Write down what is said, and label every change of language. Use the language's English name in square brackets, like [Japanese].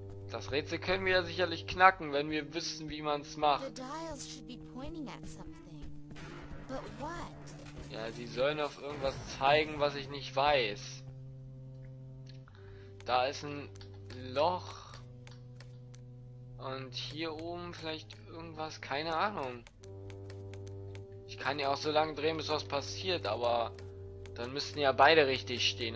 [German] Das Rätsel können wir ja sicherlich knacken, wenn wir wissen, wie man es macht. [English] The dials should be pointing at something. But what? [German] Ja, sie sollen auf irgendwas zeigen, was ich nicht weiß. Da ist ein Loch. Und hier oben vielleicht irgendwas, keine Ahnung. Ich kann ja auch so lange drehen, bis was passiert, aber dann müssten ja beide richtig stehen.